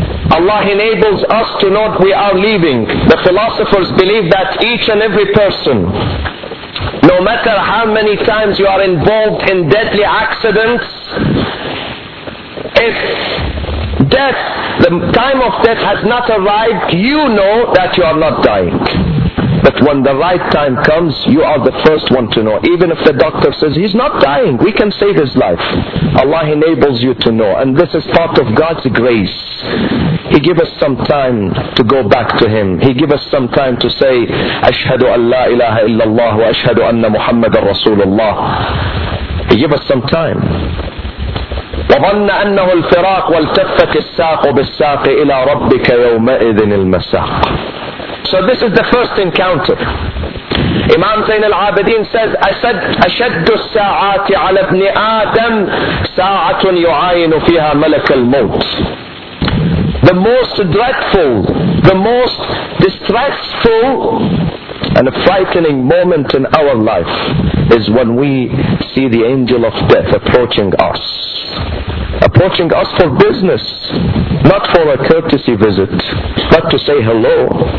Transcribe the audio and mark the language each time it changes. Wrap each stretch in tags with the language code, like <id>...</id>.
<en>Allah enables us to know we are leaving. The philosophers believe that each and every person, no matter how many times you are involved in deadly accidents, if death, the time of death has not arrived, you know that you are not dying. But when the right time comes, you are the first one to know. Even if the doctor says, he's not dying, we can save his life. Allah enables you to know. And this is part of God's grace. He give us some time to go back to him. He give us some time to say,</en> <ar>أشهد أن لا إله إلا الله وأشهد أن محمد رسول الله.</ar> <en>He give us some time.</en> <ar>وَظَنَّ أَنَّهُ الْفِرَاقُ وَالْتَفَّتِ السَّاقُ بِالسَّاقِ إِلَىٰ رَبِّكَ يَوْمَئِذٍ الْمَسَاقُ.</ar> <en>So this is the first encounter.</en> <ar>Imam Zain al-Abidin says, أَشَدُّ السَّاعَاتِ عَلَى ابْنِ آدَمْ سَاعَةٌ يُعَيْنُ فِيهَا مَلَكَ الْمَوْتِ.</ar> <en>The most dreadful, the most distressful and a frightening moment in our life is when we see the angel of death approaching us. Approaching us for business, not for a courtesy visit, but to say hello.</en>